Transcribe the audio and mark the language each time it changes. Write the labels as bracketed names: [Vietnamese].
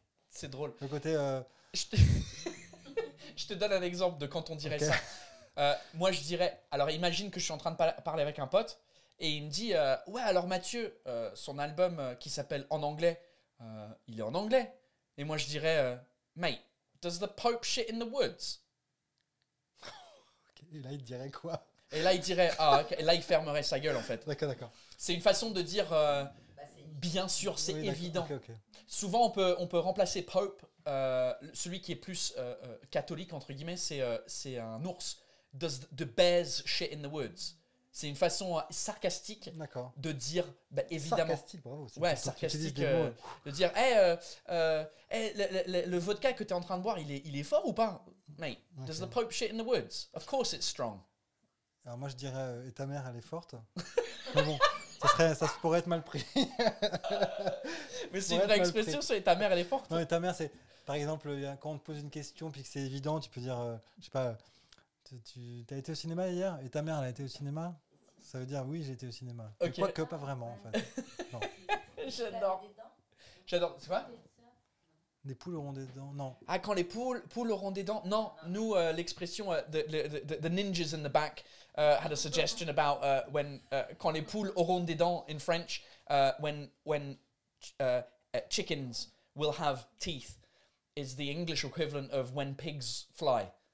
[French] C'est drôle. Le côté... je te donne un exemple de quand on dirait, okay, ça. Moi, je dirais, alors imagine que je suis en train de parler avec un pote, et il me dit, ouais, alors Mathieu, son album qui s'appelle En Anglais, il est en anglais. Et moi, je dirais, [English] mate, does the Pope shit in the woods? [French] Okay. Et là, il dirait quoi? Et là, il dirait, et là, il fermerait sa gueule, en fait. D'accord, d'accord. C'est une façon de dire, bien sûr, c'est, oui, évident. Okay, okay. Souvent, on peut remplacer Pope, celui qui est plus catholique, entre guillemets, c'est un ours. [English] Does the bears shit in the woods? [French] C'est une façon sarcastique, d'accord, de dire, bah, évidemment. Sarcastique, bravo. C'est, ouais, sarcastique. De dire, hey, le vodka que tu es en train de boire, il est fort ou pas? Mate, okay. [English] Does the Pope shit in the woods? Of course it's strong. [French] Alors moi, je dirais, et ta mère, elle est forte. Mais bon, ça pourrait être mal pris. Mais c'est une vraie expression, c'est, et ta mère, elle est forte. Non, et ta mère, c'est, par exemple, quand on te pose une question, puis que c'est évident, tu peux dire, je sais pas, t'as été au cinéma hier? Et ta mère, elle a été au cinéma? Ça veut dire, oui, j'ai été au cinéma. Okay. Quoique, pas vraiment, en fait. Non. J'adore, tu vois? Des poules auront des dents, non. Ah, quand les poules auront des dents, non. Nous, l'expression, [English] the ninjas in the back had a suggestion about when, [French] quand les poules auront des dents, [English] in French, when chickens will have teeth, is the English equivalent of when pigs fly.